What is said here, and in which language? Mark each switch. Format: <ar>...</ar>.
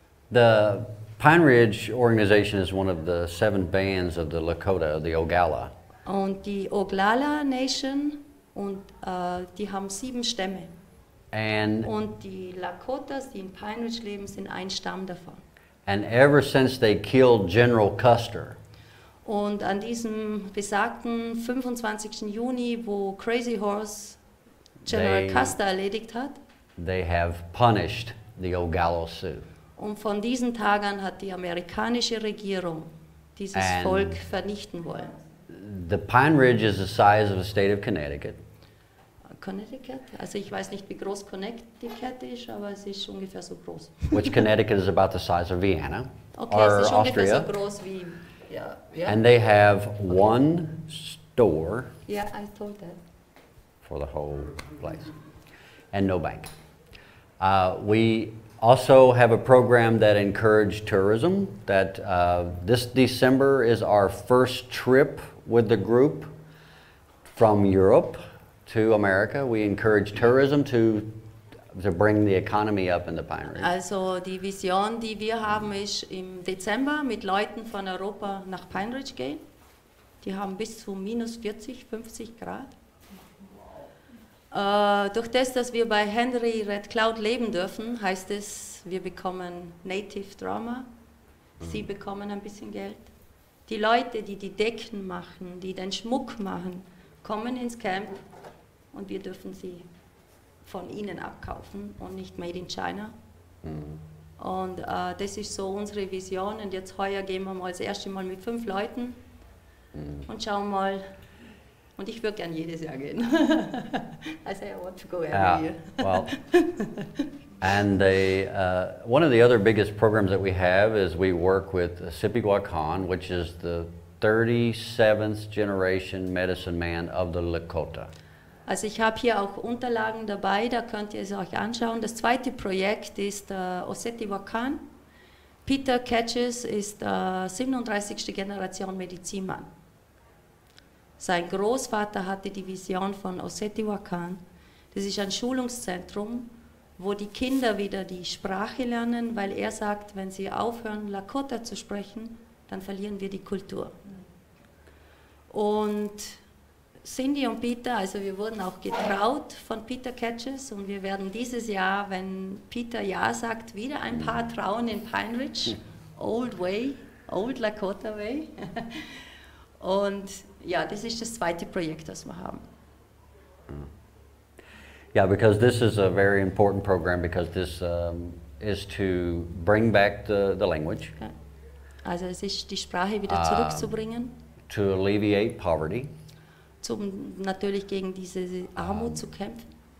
<en>The Pine Ridge Organization is one of the 7 bands of the Lakota, the Oglala.</en> <de>Und die Oglala Nation, und die haben 7 Stämme. Und die Lakotas, die in Pine Ridge leben, sind ein Stamm davon.</de> <en>And ever since they killed General Custer.</en> <de>Und an diesem besagten 25. Juni, wo Crazy Horse General Custer erledigt hat,</de> <en>they have punished the Oglala Sioux.</en> <de>Und von diesem Tag an hat die amerikanische Regierung dieses</de> <en>and</en> <de>Volk vernichten wollen.</de> <en>The Pine Ridge is the size of the state of Connecticut. Connecticut?</en> <de>Also ich weiß nicht, wie groß Connecticut ist, aber es ist ungefähr so groß.</de> <en>Which Connecticut is about the size of Vienna. Okay, or</en> <de>es ist</de> <en>Austria.</en> <de>Ungefähr so groß wie, yeah.</de> <en>And they have okay. One store. Yeah, I told that. For the whole place. And no bank. We also have a program that encourages tourism. That this December is our first trip with the group from Europe to America. We encourage tourism to bring the economy up in the Pine Ridge.</en> <de>Also, die Vision, die wir haben, ist im Dezember mit Leuten von Europa nach Pine Ridge gehen. Die haben bis zu minus 40, 50 Grad. Durch das, dass wir bei Henry Red Cloud leben dürfen, heißt es, wir bekommen Native Drama. Mhm. Sie bekommen ein bisschen Geld. Die Leute, die die Decken machen, die den Schmuck machen, kommen ins Camp und wir dürfen sie von ihnen abkaufen und nicht made in China. Mhm. Und das ist so unsere Vision. Und jetzt heuer gehen wir mal das erste Mal mit 5 Leuten und schauen mal. Und ich würde gern jedes Jahr gehen.</de> <en>I say I want to go every year. Well, and one of the other biggest programs that we have is we work with Sipigwa Khan, which is the 37th generation medicine man of the Lakota.</en> <de>Also ich habe hier auch Unterlagen dabei, da könnt ihr es euch anschauen. Das zweite Projekt ist Oseti Wakan. Peter Ketches ist 37. Generation Medizinmann. Sein Großvater hatte die Vision von Oseti Wakan. Das ist ein Schulungszentrum, wo die Kinder wieder die Sprache lernen, weil er sagt, wenn sie aufhören, Lakota zu sprechen, dann verlieren wir die Kultur. Und Cindy und Peter, also wir wurden auch getraut von Peter Ketches und wir werden dieses Jahr, wenn Peter ja sagt, wieder ein paar trauen in Pine Ridge,</de> <en>Old Way, Old Lakota Way.</en> <de>Und ja, das ist das zweite Projekt, das wir haben.</de> <en>Ja, because this is a very important program, because this is to bring back the language. Okay.</en> <de>Also es ist die Sprache wieder zurückzubringen.</de> <en>To alleviate poverty.</en> <de>Um natürlich gegen diese Armut zu kämpfen.</de>